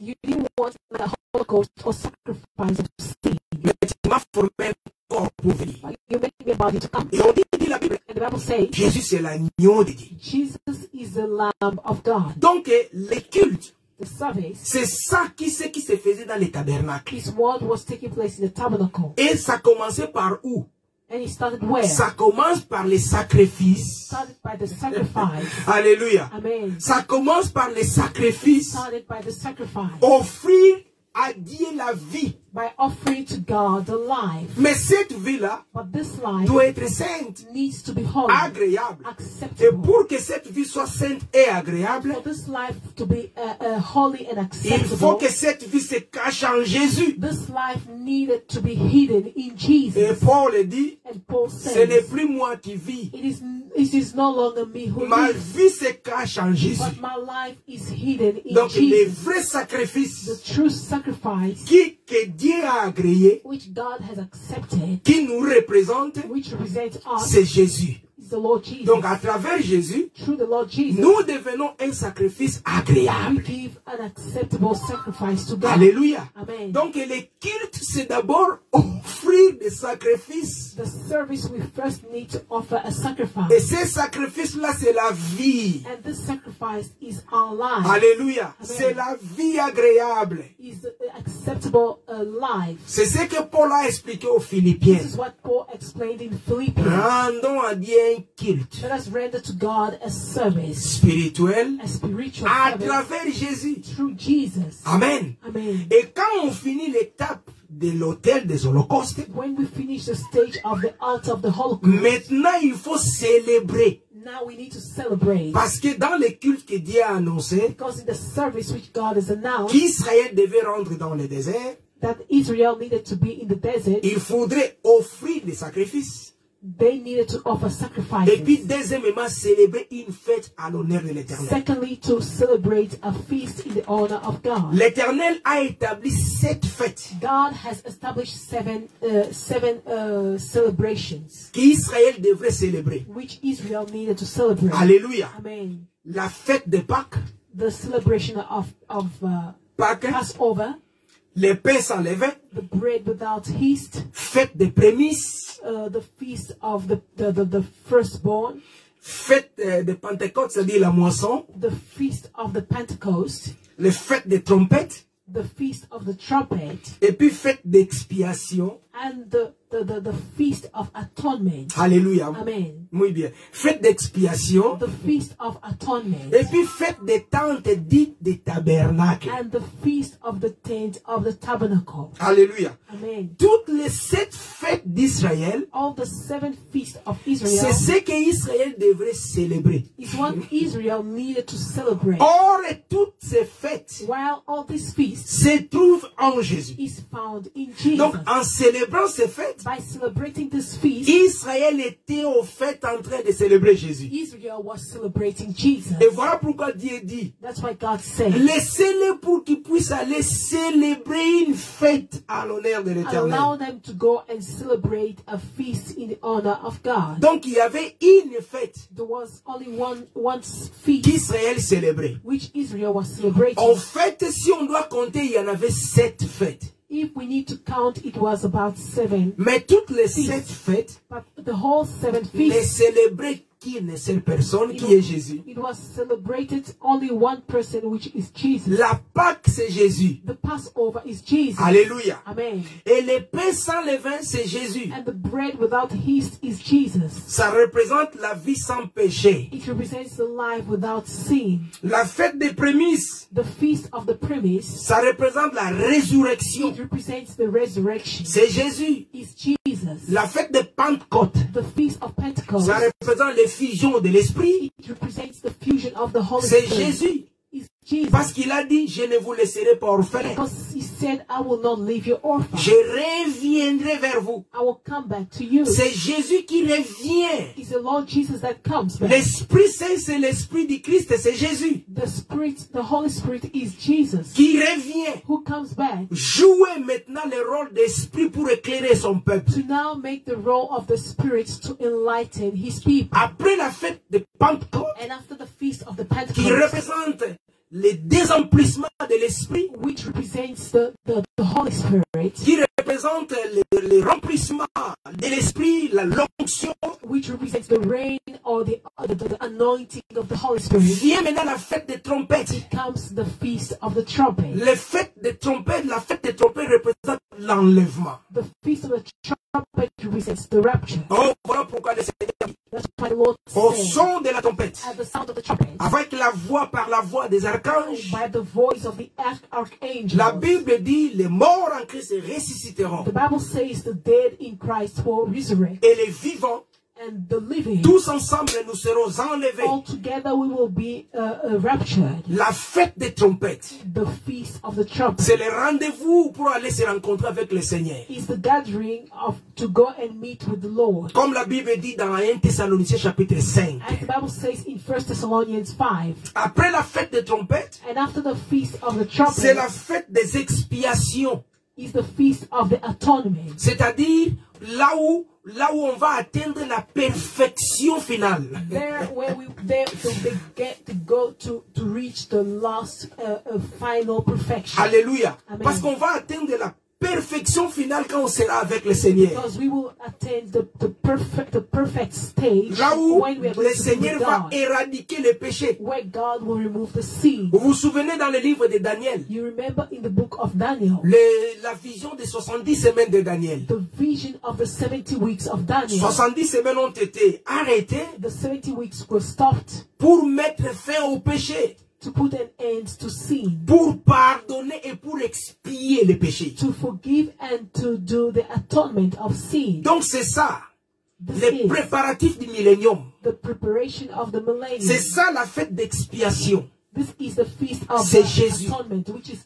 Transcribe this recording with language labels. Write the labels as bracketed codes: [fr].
[en] You didn't want a holocaust or sacrifice of sin. [fr] Mais tu m'as formé. [en] You make me a body to come. [fr] Et on dit la Bible. [en] And the Bible says, [fr] Jésus c'est l'agneau de Dieu. [en] Jesus is the Lamb of God. [fr] Donc les cultes, [en] the service, [fr] c'est ça qui se faisait dans les tabernacles. [en] His word was taking place in the tabernacle. [fr] Et ça commençait par où? [en] And it started where? [fr] Ça commence par les sacrifices. [en] Started by the sacrifice. [fr] Alléluia. [en] Amen. [fr] Ça commence par les sacrifices. [en] Started by the sacrifice. [fr] Offrir à Dieu la vie. [en] By offering to God the life. [fr] Mais cette vie-là, [en] but this life, [fr] doit être sainte, [en] needs to be holy, [fr] agréable, [en] acceptable. [fr] Et pour que cette vie soit sainte et agréable, [en] for this life to be holy and acceptable, [fr] il faut que cette vie se cache en Jésus. [en] This life needed to be hidden in Jesus. [fr] Et Paul dit, [en] and Paul says, [fr] ce n'est plus moi qui vis. [en] It is no longer me who [fr] ma [en] lives. [fr] Ma vie se cache en Jésus. [en] But my life is hidden in [fr] donc, [en] Jesus. [fr] Donc les vrais sacrifices, [en] the true sacrifice, [fr] qui Dieu a agréé, [en] which God has accepted, [fr] qui nous représente, [en] which represents us, [fr] c'est Jésus. [en] The Lord Jesus. [fr] Donc à travers Jésus, [en] through the Lord Jesus, [fr] nous devenons un sacrifice agréable. [en] We give an acceptable sacrifice to God. [fr] Alléluia. [en] Amen. [fr] Donc les cultes, c'est d'abord offrir des sacrifices. [en] The service we first need to offer a sacrifice. [fr] Et ces sacrifices-là, c'est la vie. [en] And this sacrifice is our life. [fr] Alléluia. Amen. C'est la vie agréable. [en] Is acceptable life. [fr] C'est ce que Paul a expliqué aux Philippiens. [en] This is what Paul explained in Philippians. [fr] Rendons à Dieu un culte. [en] Let us render to God a service. [fr] Spirituel. [en] A spiritual [fr] service. À travers Jésus. [en] Through Jesus. [fr] Amen. [en] Amen. [fr] Et quand on finit l'étape de l'autel des holocaustes, [en] when we finish the stage of the altar of the Holocaust, [fr] maintenant il faut célébrer. [en] Now we need to celebrate. [fr] Parce que dans les cultes que Dieu a annoncé, [en] because in the service which God has announced, [fr] qu'Israël devait rendre dans le désert, [en] that Israel needed to be in the desert, [fr] il faudrait offrir des sacrifices. [en] They needed to offer sacrifices. [fr] Et puis deuxièmement, célébrer une fête à l'honneur de l'Éternel. [en] Secondly, to celebrate a feast in the honor of God. [fr] L'Éternel a établi 7 fêtes. [en] God has established 7 celebrations. [fr] Qu'Israël devrait célébrer. [en] Which Israel needed to celebrate. [fr] Alléluia. [en] Amen. [fr] La fête de Pâques. [en] The celebration of [fr] Pâques. [en] Passover. [fr] Les pains sans levain. [en] The bread without yeast. [fr] Fête des prémices. [en] The feast of the firstborn. [fr] Fête de Pentecôte, c'est-à-dire la moisson. [en] The feast of the Pentecost. [fr] Les fêtes des trompettes. [en] The feast of the trumpet. [fr] Et puis fête d'expiation. [en] And the feast of atonement. [fr] Alléluia. [en] Amen. [es] Muy bien. [fr] Fête d'expiation. [en] The feast of atonement. [fr] Et puis fête des tentes dites des tabernacles. [en] And the feast of the tent of the tabernacle. [fr] Alléluia. [en] Amen. [fr] Toutes les 7 fêtes d'Israël. [en] All the 7 feasts of Israel. [fr] C'est ce que Israël devrait célébrer. [en] Is what Israel needed to celebrate. [fr] Or toutes ces fêtes. [en] While all these feasts. [fr] Se trouvent en Jésus. [en] Is found in Jesus. [fr] Donc en célébrant ces fêtes. [en] By celebrating this feast, [fr] Israël était au fait en train de célébrer Jésus. [en] Israel was celebrating Jesus. [fr] Et voilà pourquoi Dieu dit. [en] That's why God said. [fr] Laissez-les pour qu'ils puissent aller célébrer une fête à l'honneur de l'Éternel. [en] Allow them to go and celebrate a feast in the honor of God. [fr] Donc il y avait une fête. [en] There was only one feast. [fr] Qu'Israël célébrait. [en] Which Israel was celebrating. [fr] En fait, si on doit compter, il y en avait 7 fêtes. [en] If we need to count, it was about 7. [fr] Mais toutes les 7 fêtes, [en] but the whole 7 feasts, [fr] les célébrer qui ne sait personne, qui est Jésus. [en] It was celebrated only one person, which is Jesus. [fr] La Pâque, c'est Jésus. [en] The Passover is Jesus. [fr] Alléluia. [en] Amen. [fr] Et le pain sans levain, c'est Jésus. [en] And the bread without yeast is Jesus. [fr] Ça représente la vie sans péché. [en] It represents the life without sin. [fr] La fête des prémices. [en] The feast of the premise. [fr] Ça représente la résurrection. [en] It represents the resurrection. [fr] C'est Jésus. [en] Is Jesus. [fr] La fête de Pentecôte. [en] The feast of Pentecost. [fr] Ça représente la fusion de l'esprit. [en] It represents the fusion of the Holy [fr] c'est [en] Spirit. [fr] Jésus. [en] Jesus. [fr] Parce qu'il a dit, je ne vous laisserai pas orphelins. [en] Because he said, I will not leave you orphan. [fr] Je reviendrai vers vous. [en] I will come back to you. [fr] C'est Jésus qui revient. [en] It's the Lord Jesus that comes back. [fr] L'Esprit Saint, c'est l'Esprit du Christ, c'est Jésus. [en] The Spirit, the Holy Spirit is Jesus. [fr] Qui revient. [en] Who comes back. [fr] Jouer maintenant le rôle d'Esprit pour éclairer son peuple. [en] To now make the role of the Spirit to enlighten his people. [fr] Après la fête de Pentecôte. [en] And after the feast of the Pentecôte. [fr] Qui représente le désemplissement de l'Esprit, [en] which represents the Holy Spirit, [fr] qui représente le remplissement de l'Esprit, la l'onction, [en] which represents the rain or the anointing of the Holy Spirit, [fr] vient maintenant la fête des trompettes. [en] It comes the feast of the trumpet. [fr] La fête des trompettes, la fête des trompettes représente l'enlèvement. [en] The feast of the trumpet represents the rapture. [fr] Oh, voilà pourquoi le Seigneur dit. Au son de la tempête, avec la voix, par la voix des archanges, [en] by the voice of the archangels, [fr] la Bible dit les morts en Christ ressusciteront. [en] The Bible says the dead in Christ will resurrect. [fr] Et les vivants, [en] and the living, [fr] tous ensemble nous serons enlevés. [en] All together we will be raptured. [fr] La fête des trompettes, [en] the feast of the trumpets, [fr] c'est le rendez-vous pour aller se rencontrer avec le Seigneur. [en] It's the gathering of to go and meet with the Lord. [fr] Comme la Bible dit dans 1 Thessaloniciens chapitre 5. [en] As the Bible says in 1 Thessalonians 5. [fr] Après la fête des trompettes, [en] and after the feast of the trumpets, [fr] c'est la fête des expiations. [en] Is the feast of the atonement. [fr] C'est-à-dire là où on va atteindre la perfection finale. [en] There where we there to be, get to go to reach the last final perfection. [fr] Alléluia. Parce qu'on va atteindre la perfection finale quand on sera avec le Seigneur. [en] Because we will attain the perfect stage. [fr] Là où le Seigneur va éradiquer les péchés. [en] Where God will remove the sin. [fr] Vous vous souvenez dans le livre de Daniel? [en] You remember in the book of Daniel? [fr] La vision des 70 semaines de Daniel. [en] The vision of the 70 weeks of Daniel. [fr] 70 semaines ont été arrêtées. [en] The 70 weeks were stopped. [fr] Pour mettre fin au péché. [en] To put an end to sin. [fr] Pour pardonner et pour expier les péchés. [en] To forgive and to do the atonement of sin. [fr] Donc c'est ça. Les préparatifs du millénium. [en] The preparation of the millennium. [fr] C'est ça la fête d'expiation. [en] This is the feast of atonement, which is Jesus.